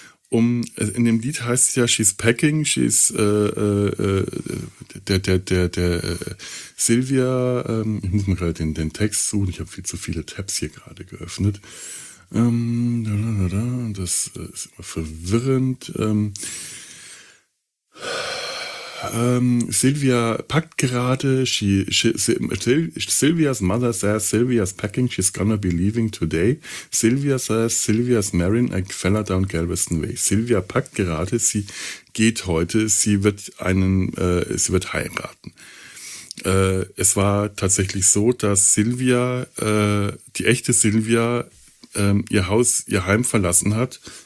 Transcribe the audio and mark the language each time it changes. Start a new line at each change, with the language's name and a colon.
German: In dem Lied heißt es ja, she's packing, Silvia, ich muss mir gerade den Text suchen, ich habe viel zu viele Tabs hier gerade geöffnet. Das ist immer verwirrend.
English: Silvia packt gerade, Silvia's mother says Silvia's packing, she's gonna be leaving today. Silvia says Silvia's marrying a fella down Galveston Way.
German: Silvia packt gerade, sie geht heute, sie wird heiraten. Es war tatsächlich so, dass Silvia, die echte Silvia, ihr Haus, ihr Heim verlassen hat.